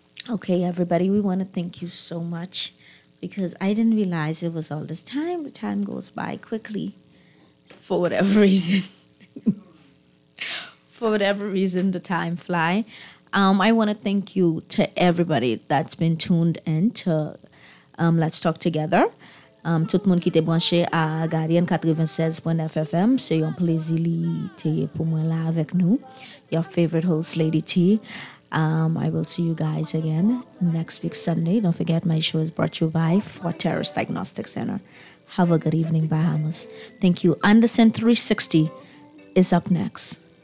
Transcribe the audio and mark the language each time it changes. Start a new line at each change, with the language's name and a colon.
English: Okay, everybody, we want to thank you so much. Because I didn't realize it was all this time. The time goes by quickly. For whatever reason. For whatever reason, the time fly. I want to thank you to everybody that's been tuned in to Let's Talk Together.
French: Tout le monde qui était branché à Guardian 96.FM, c'est un plaisir pour moi là avec nous.
English: Your favorite host, Lady T. I will see you guys again next week Sunday. Don't forget, my show is brought to you by Fort Terrace Diagnostic Center. Have a good evening, Bahamas. Thank you. Anderson 360 is up next.